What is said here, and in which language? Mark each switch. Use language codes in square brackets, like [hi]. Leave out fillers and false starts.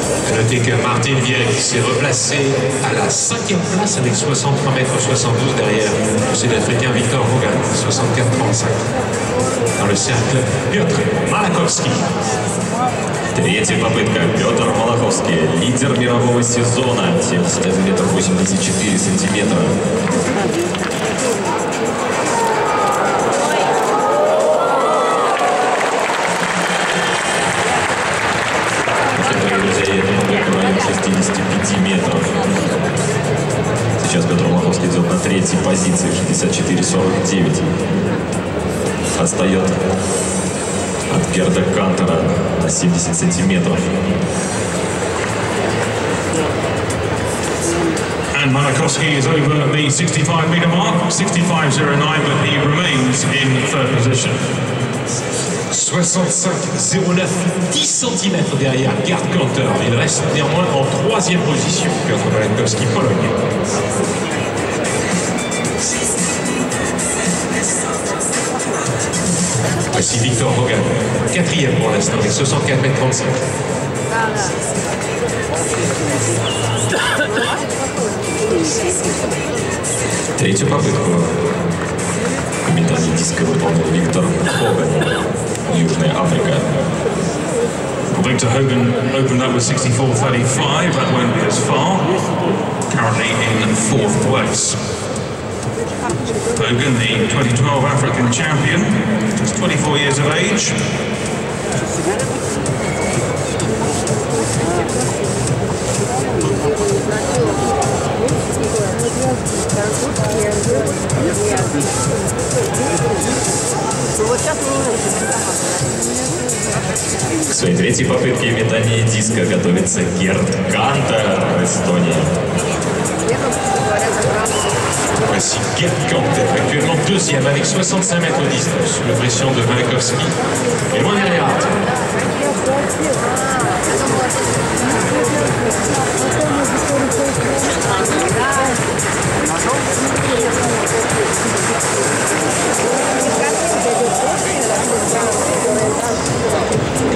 [fr] Et notez que Martin Wierig s'est replacé à la 5e place avec 63,72 m derrière le Sud-Africain Victor Hogan, 64,35 m. Dans le cercle, Piotr Malachowski. [ru] Третья попытка. Петр Малаховский, лидер мирового сезона. 71 метр 84 сантиметра. Некоторые друзья, я думаю, в районе 65 метров. Сейчас Петр Малаховский идет на третьей позиции. 64-49. Отстает от Герда Кантера на 70 сантиметров. [en] And Malachowski is over the 65-meter mark, 65-09, but he remains in third position. [fr] 65-09, 10 [ru] сантиметров [fr] derrière Gerd Kanter. Il reste néanmoins en troisième position. Piotr Malachowski, Pologne. Voici Victor Hogan, quatrième pour l'instant, avec 64,35 m. [ru] Третью попытку метания диска выполнил Виктор Хоган, Южная Африка. [en] Victor Hogan opened up with 64,35, that went as far, currently in fourth place. Hogan, the 2012 African champion, just 24 years of age. [ru] К своей третьей попытке метания диска готовится Герд Кантер, Эстония. [fr] Voici Gerd Kanter, actuellement deuxième avec 65 mètres 19, sous la pression de Malachowski. Et loin derrière Harting.